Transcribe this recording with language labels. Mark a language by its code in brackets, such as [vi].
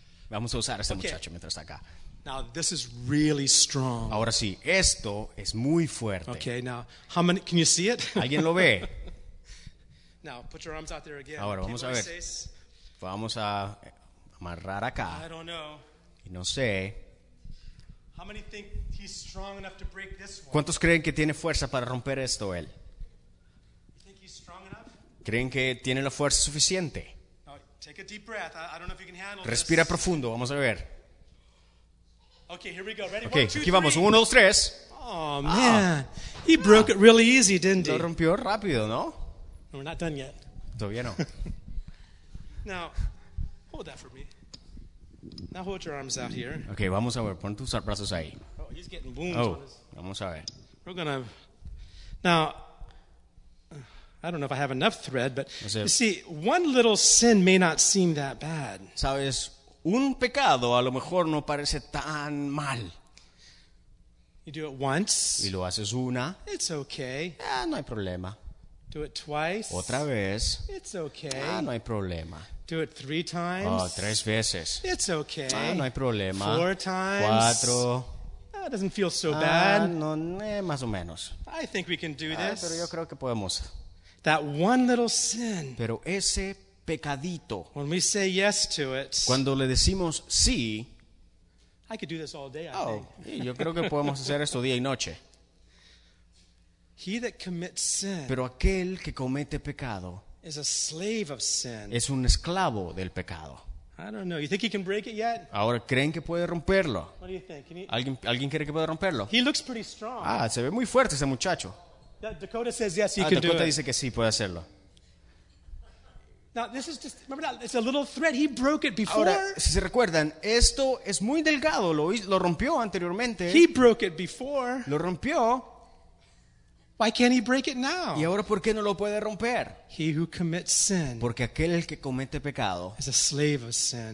[es] Vamos a usar a este muchacho mientras está acá. [en] Now, this is really strong. [es] Ahora sí, esto es muy fuerte. [en] Okay, now, how many, can you see it? [es] ¿Alguien lo ve? [en] Now, put your arms out there again. [es] Ahora, vamos a ver. Vamos a amarrar acá. [en] I don't know. [es] Y no sé. [en] How many think he's strong enough to break this one? [es] ¿Cuántos creen que tiene fuerza para romper esto él? [en] You think he's strong enough? [es] ¿Creen que tiene la fuerza suficiente? [en] Take a deep breath. I don't know if you can handle [es] Respira [en] this. [es] Profundo, vamos a ver. [en] Okay, here we go. Ready? Okay, one, two, [es] aquí vamos. Uno, dos, tres. [en] Oh man, he broke it really easy, didn't he? [es] Lo rompió rápido, ¿no? [en] We're not done yet. [es] Todavía no. [en] Now, hold that for me. Now hold your arms out here. Okay, [es] vamos a ver. Pon tus brazos ahí. [en] Oh, he's getting wounds. Oh, on his... [es] vamos a ver. [en] We're gonna. Now. I don't know if I have enough thread, but [es] o sea, [en] you see, one little sin may not seem that bad. [es] Sabes, un pecado a lo mejor no parece tan mal. [en] You do it once. [es] Y lo haces una. [en] It's okay. [es] Ah, no hay problema. [en] Do it twice. [es] Otra vez. [en] It's okay. [es] Ah, no hay problema. [en] Do it three times. [es] Oh, tres veces. [en] It's okay. [es] Ah, no hay problema. [en] Four times. [es] Cuatro. [en] That doesn't feel so bad. [es] No, más o menos. [en] I think we can do this. [es] Pero yo creo que podemos. [en] That one little sin. [es] Pero ese pecadito. [en] When we say yes to it. [es] Cuando le decimos sí. [en] I could do this all day. Oh, I think. [es] Yo creo que podemos hacer esto día y noche. [en] He that commits sin. [es] Pero aquel que comete pecado. [en] Is a slave of sin. [es] Es un esclavo del pecado. [en] I don't know. You think he can break it yet? [es] Ahora creen que puede romperlo. [en] What do you think? Can he... [es] ¿Alguien cree que puede romperlo? [en] He looks pretty strong. [es] Ah, se ve muy fuerte ese muchacho. [en] Dakota says yes, he can do it. [es] Dakota dice que sí, puede hacerlo. [en] Now, this is just, remember that, it's a little thread. He broke it before. [es] Ahora, si se recuerdan, esto es muy delgado. Lo rompió anteriormente. [en] He broke it before. [es] Lo rompió. [en] Why can't he break it now? [es] ¿Y ahora por qué no lo puede romper? [en] He who commits sin. [es] Porque aquel que comete pecado. [en] Is a slave of sin.